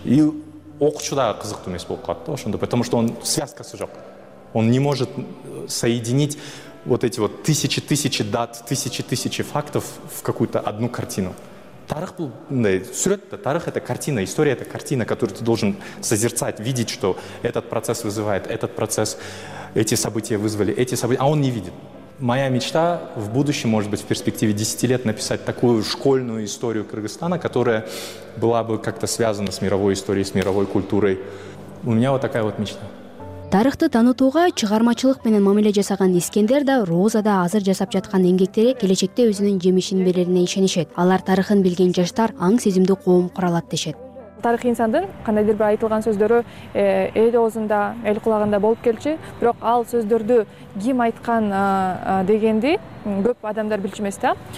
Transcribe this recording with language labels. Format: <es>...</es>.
<ky>И окуучу да кызыктуу эмес болуп калат, ошондо,</ky> <ru>потому что он</ru> <ky>связкасы жок.</ky> <ru>Он не может соединить вот эти вот тысячи-тысячи дат, тысячи-тысячи фактов в какую-то одну картину. Тарых был, да, сюрет, тарых — это картина, история — это картина, которую ты должен созерцать, видеть, что этот процесс вызывает, этот процесс, эти события вызвали, эти события, а он не видит. Моя мечта в будущем, может быть, в перспективе 10 лет, написать такую школьную историю Кыргызстана, которая была бы как-то связана с мировой историей, с мировой культурой. У меня вот такая вот мечта.</ru> <ky>Тарыхты танытууга чыгармачылык менен мамиле жасаган Искендер да, Роза да азыр жасап жаткан эмгектери келечекте өзүнүн жемишин берерине ишенишет. Алар тарыхын билген жаштар аң сезимдүү коом куралат дешет. Тарых инсандын кандайдыр бир айтылган сөздөрү эл оозунда, эл кулагында болуп келчү, бирок ал сөздөрдү ким айткан дегенди көп адамдар билчү эмес да.</ky>